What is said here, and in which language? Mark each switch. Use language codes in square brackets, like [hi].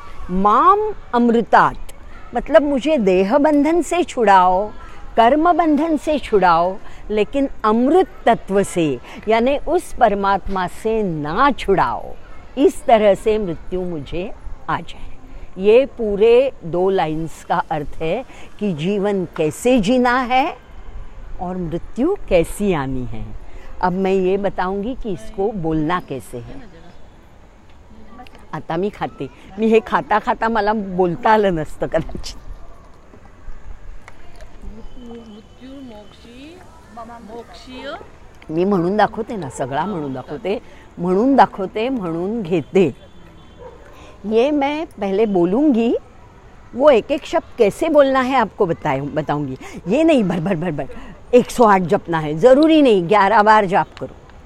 [sa] माम अमृतात, [hi] मतलब मुझे देह बंधन से छुड़ाओ, कर्म बंधन से छुड़ाओ, लेकिन अमृत तत्व से यानी उस परमात्मा से ना छुड़ाओ, इस तरह से मृत्यु मुझे आ जाए। ये पूरे दो लाइन्स का अर्थ है कि जीवन कैसे जीना है और मृत्यु कैसी आनी है। अब मैं ये बताऊंगी कि इसको बोलना कैसे है। [mr] आता मी खाते, मी हे खाता खाता मला बोलता आलं नसतं कदाचित। मी म्हणून दाखवते ना, सगळा म्हणून दाखवते, म्हणून दाखवते, म्हणून घेते, [hi] ये मैं पहले बोलूंगी, वो एक एक शब्द कैसे बोलना है आपको बताऊंगी, ये नहीं भर भर भर भर 108 जपना है, जरूरी नहीं 11 बार जाप करो,